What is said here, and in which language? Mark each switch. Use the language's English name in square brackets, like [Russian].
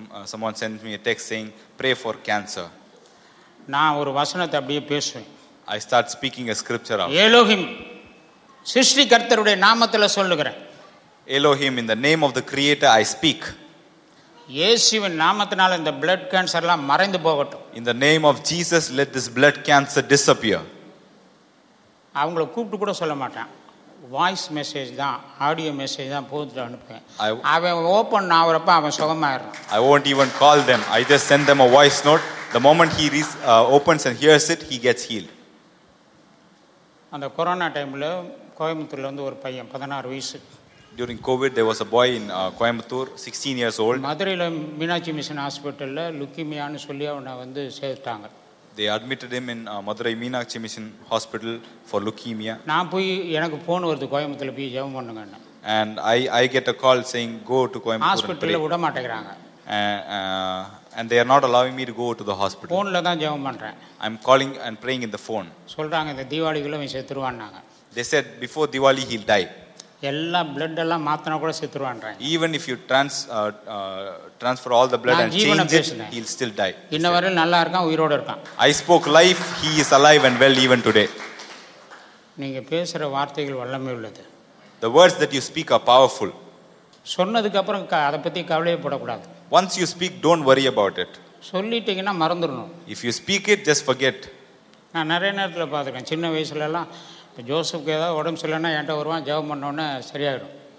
[English] Someone sends me a text saying pray for cancer. [Tamil] நான் ஒரு வசனத்தை அப்படியே பேசுவேன். [English] I start speaking a scripture out. [Tamil] Elohim சிருஷ்டி கர்த்தருடைய நாமத்துல சொல்லுகிறேன். [English] Elohim, in the name of the creator I speak. [Tamil] இயேசுவின் நாமத்தினால இந்த blood cancer எல்லாம் மறைந்து போகட்டும். [English] In the name of Jesus, let this blood cancer disappear. [Tamil] அவங்களை கூப்பிட்டு கூட சொல்ல மாட்டான். வாய்ஸ் மெசேஜ் தான், ஆடியோ மெசேஜ் தான் போட்டு அனுப்புவேன். அவன் ஓபன் ஆகுறப்ப அவன் சுகமாயிடுறான். [English] I won't even call them. I just send them a voice note. The moment he opens and hears it, he gets healed. [Tamil] அந்த கொரோனா டைம்ல கோயம்புத்தூர்ல வந்து ஒரு பையன் 16 வயசு. [English] During COVID, there was a boy in Coimbatore, 16 years old. [Tamil] மதுரையில் Meenakshi mission ஹாஸ்பிட்டலில் லுக்கிமியான்னு சொல்லி அவனை வந்து சேர்த்துட்டாங்க. [English] They admitted him in Madurai Meenakshi Mission Hospital for leukemia. [Tamil] நான் போய் எனக்கு போன் வருது கோயம்புத்தூர்ல போய் ஜெபம் பண்ணுங்க. [English] And I get a call saying go to Coimbatore hospital. [Tamil] விட மாட்டேங்கறாங்க. [English] And they are not allowing me to go to the hospital. [Tamil] போன்ல தான் ஜெபம் பண்றேன். [English] I'm calling and praying in the phone. [Tamil] சொல்றாங்க இந்த தீபாவளிக்குள்ள அவன் செத்துருவான்னாங்க. [English] They said before Diwali he'll die. [Tamil] எல்லா பிளட் எல்லாம் மாத்தினா கூட செத்துருவான்றேன். [English] Even if you transfer all the blood and change it, he'll still die. [Tamil] இன்ன வரையில நல்லா இருக்கான், உயிரோட இருக்கான். [English] I spoke life, he is alive and well even today. [Tamil] நீங்க பேசுற வார்த்தைகள் வல்லமை உள்ளது. [English] The words that you speak are powerful. [Tamil] சொன்னதுக்கு அப்புறம் அதை பத்தி கவலையே படக்கூடாது. [English] Once you speak, don't worry about it. [Tamil] சொல்லிட்டீங்கனா மறந்துறணும். [English] If you speak it, just forget. [Tamil] நான் நிறைய நேரத்துல பாத்துக்கேன், சின்ன வயசுல எல்லாம் ஜோசப்க்கு ஏதாவது உடம்பு சரியில்லைனா என்கிட்ட வருவான், ஜெபம் பண்ணோன்னே சரியாயிடும்.